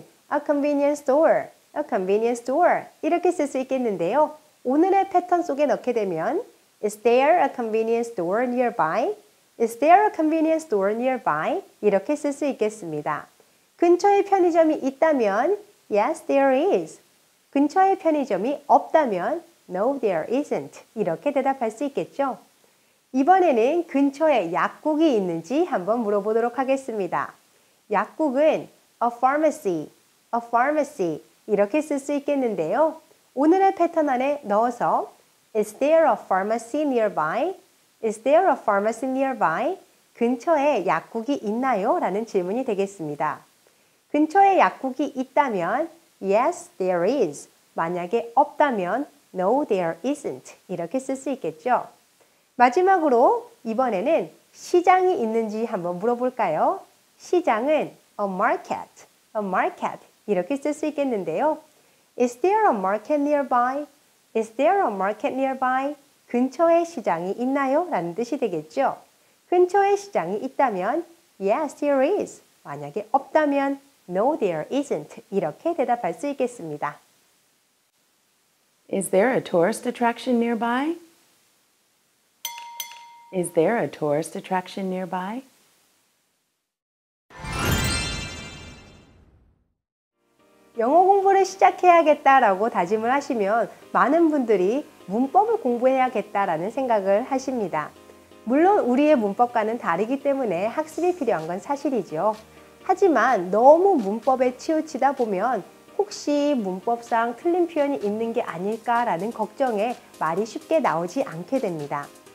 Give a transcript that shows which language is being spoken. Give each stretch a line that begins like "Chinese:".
English: A convenience store, a convenience store
Korean: 이렇게 쓸 수 있겠는데요. 오늘의 패턴 속에 넣게 되면
English: Is there a convenience store nearby? Is there a convenience store nearby?
Korean: 이렇게 쓸 수 있겠습니다. 근처에 편의점이 있다면
English: Yes, there is.
Korean: 근처에 편의점이 없다면
English: No, there isn't.
Korean: 이렇게 대답할 수 있겠죠. 이번에는 근처에 약국이 있는지 한번 물어보도록 하겠습니다. 약국은 a pharmacy 이렇게 쓸 수 있겠는데요. 오늘의 패턴 안에 넣어서
English: Is there a pharmacy nearby? Is there a pharmacy nearby?
Korean: 근처에 약국이 있나요? 라는 질문이 되겠습니다. 근처에 약국이 있다면
English: Yes, there is.
Korean: 만약에 없다면
English: No, there isn't.
Korean: 이렇게 쓸 수 있겠죠. 마지막으로 이번에는 시장이 있는지 한번 물어볼까요? 시장은 a market 이렇게 쓸 수 있겠는데요.
English: Is there a market nearby? Is there a market nearby?
Korean: 근처에 시장이 있나요? 라는 뜻이 되겠죠. 근처에 시장이 있다면
English: Yes, there is.
Korean: 만약에 없다면
English: No, there isn't.
Korean: 이렇게 대답할 수 있겠습니다.
English: Is there a tourist attraction nearby? Is there a tourist attraction nearby?
Korean: 영어 공부를 시작해야겠다라고 다짐을 하시면 많은 분들이 문법을 공부해야겠다라는 생각을 하십니다. 물론 우리의 문법과는 다르기 때문에 학습이 필요한 건 사실이죠. 하지만 너무 문법에 치우치다 보면 혹시 문법상 틀린 표현이 있는 게 아닐까라는 걱정에 말이 쉽게 나오지 않게 됩니다.